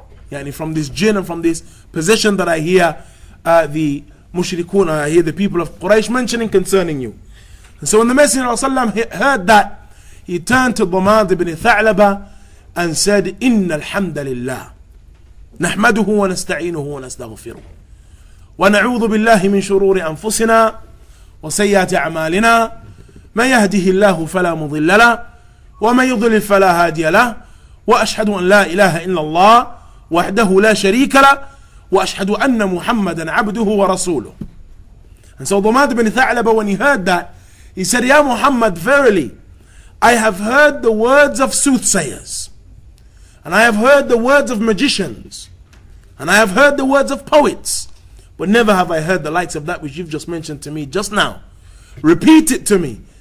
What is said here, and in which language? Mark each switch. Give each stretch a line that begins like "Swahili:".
English: Yani from this jinn and from this possession that I hear the mushrikun, I hear the people of Quraysh mentioning concerning you. And so when the Messenger of Allah heard that, he turned to Dhamad ibn Tha'labah and said,
Arabic: Inna alhamdulillah. نحمده ونستعينه ونستغفره ونعوذ بالله من شرور أنفسنا وسيئات أعمالنا من يهده الله فلا مضل له ومن يضلل فلا هادي له وأشهد أن لا إله إلا الله وحده لا شريك له وأشهد أن محمدا عبده ورسوله.
English: And so Dhamad ibn Tha'labah, when he heard that, he said, Ya Muhammad, verily I have heard the words of soothsayers, and I have heard the words of magicians, and I have heard the words of poets, but never have I heard the likes of that which you've just mentioned to me just now. Repeat it to me.